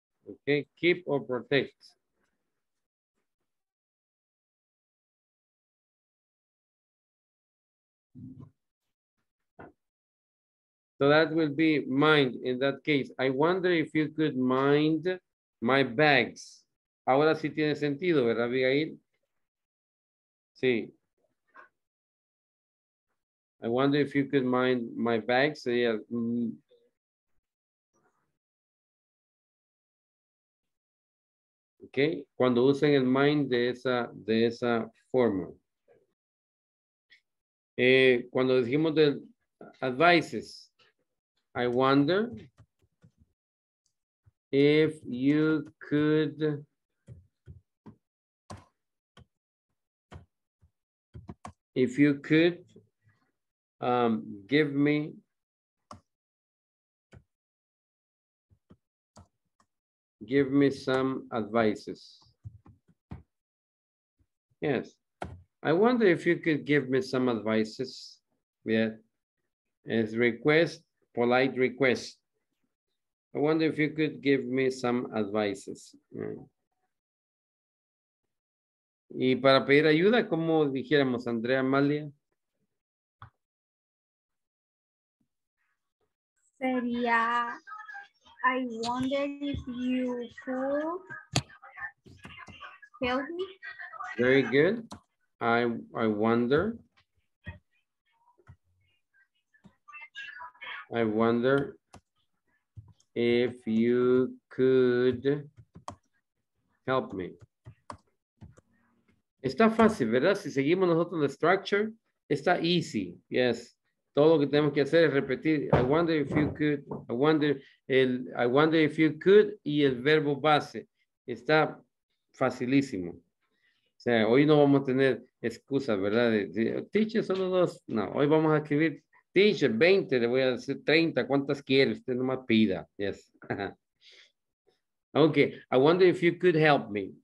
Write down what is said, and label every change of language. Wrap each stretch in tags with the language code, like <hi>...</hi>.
<en>Okay, keep or protect. So that will be mine in that case. I wonder if you could mind my bags.</en> <es>Ahora sí tiene sentido, ¿verdad, Abigail? Sí.</es> <en>I wonder if you could mind my bags. So, yeah. Okay.</en> <es>Cuando usen el mind de esa forma. Cuando dijimos de advices,</es> <en>I wonder if you could if you could give me some advices. Yes, I wonder if you could give me some advices. Yeah, as request, polite request. I wonder if you could give me some advices.</en> <es>Y para pedir ayuda, ¿cómo dijéramos, Andrea Amalia? Sería,</es> <en>I wonder if you could help me. Very good. I wonder. I wonder if you could help me.</en> <es>Está fácil, ¿verdad? Si seguimos nosotros la structure, está easy. Yes. Todo lo que tenemos que hacer es repetir.</es> <en>I wonder if you could. I wonder if you could.</en> <es>Y el verbo base. Está facilísimo. O sea, hoy no vamos a tener excusas, ¿verdad? De teacher, solo dos. No, hoy vamos a escribir, teacher, 20, le voy a decir 30, ¿cuántas quiere? Usted no me pida. Yes.</es> <en>Okay, I wonder if you could help me.</en>